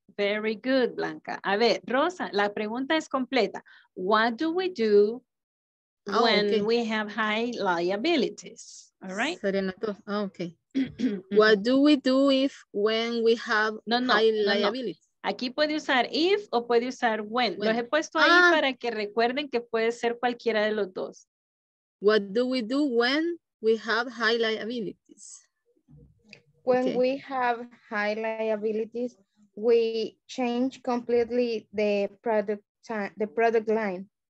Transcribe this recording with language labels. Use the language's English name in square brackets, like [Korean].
[English] Very good, [Spanish] Blanca. A ver, Rosa, la pregunta es completa. [English] What do we do when we have high liabilities? All right. Okay. What do we do if when we have high liabilities? [Spanish] No. Aquí puede usar if o puede usar when. Los he puesto ahí para que recuerden que puede ser cualquiera de los dos. [English] What do we do when we have high liabilities? When we have high liabilities, we change completely the product line.